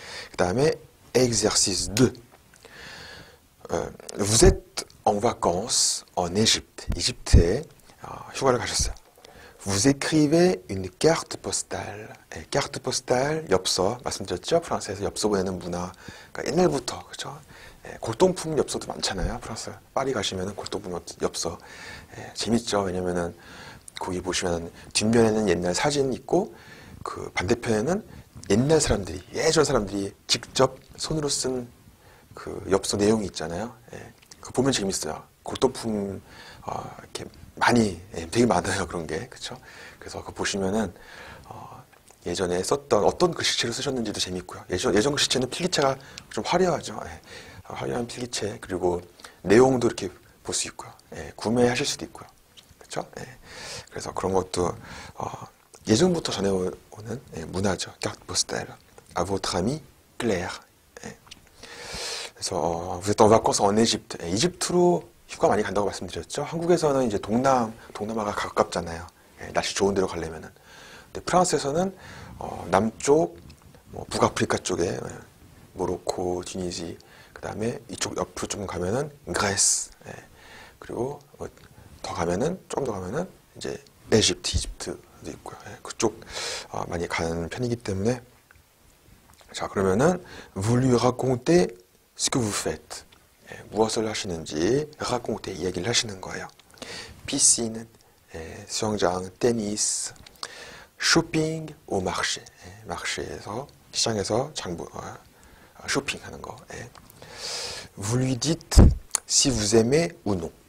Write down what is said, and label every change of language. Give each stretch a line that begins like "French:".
Korean: 그 다음에
French: exercice 2. Vous êtes en vacances en Égypte.
Korean: 이집트에 휴가를 가셨어요.
French: Vous écrivez une carte postale.
Korean: 네,
French: carte postale,
Korean: 엽서. 말씀드렸죠? 프랑스에서 엽서 보내는 문화. 그러니까 옛날부터, 그렇죠? 네, 골동품 엽서도 많잖아요. 프랑스, 파리 가시면은 골동품 엽서. 네, 재밌죠? 왜냐면은 거기 보시면 뒷면에는 옛날 사진 있고 그 반대편에는 옛날 사람들이, 예전 사람들이 직접 손으로 쓴그 엽서 내용이 있잖아요. 네, 그거 보면 재밌어요. 골동품 이렇게 많이, 예, 되게 많아요, 그런 게. 그쵸? 그래서 그 보시면은, 예전에 썼던 어떤 글씨체를 쓰셨는지도 재밌고요. 예전 글씨체는 필기체가 좀 화려하죠. 예, 화려한 필기체, 그리고 내용도 이렇게 볼수 있고요. 예, 구매하실 수도 있고요. 그쵸? 예, 그래서 그런 것도, 예전부터 전해오는, 예, 문화죠.
French: Carte postale. À votre ami, Claire. 예.
Korean: 그래서,
French: vous êtes en vacances en Égypte.
Korean: 예, 이집트로 휴가 많이 간다고 말씀드렸죠. 한국에서는 이제 동남아가 가깝잖아요. 날씨 좋은 데로 가려면은. 근데 프랑스에서는 남쪽, 뭐 북아프리카 쪽에 모로코, 튀니지, 그 다음에 이쪽 옆으로 좀 가면은 그리스, 예. 그리고 뭐 더 가면은 좀 더 가면은 이제 에집트, 이집트도 있고요. 예. 그쪽 많이 가는 편이기 때문에. 자, 그러면은
French: vous lui racontez ce que vous faites.
Korean: 예. 무엇을 하시는지 raconte 이야기를 하시는 거예요. 피시는 예. 수영장, 테니스, 쇼핑
French: au marché.
Korean: 예. 마르쉐에서 시장에서 장부 쇼핑하는 거. 예.
French: Vous lui dites si vous aimez ou non.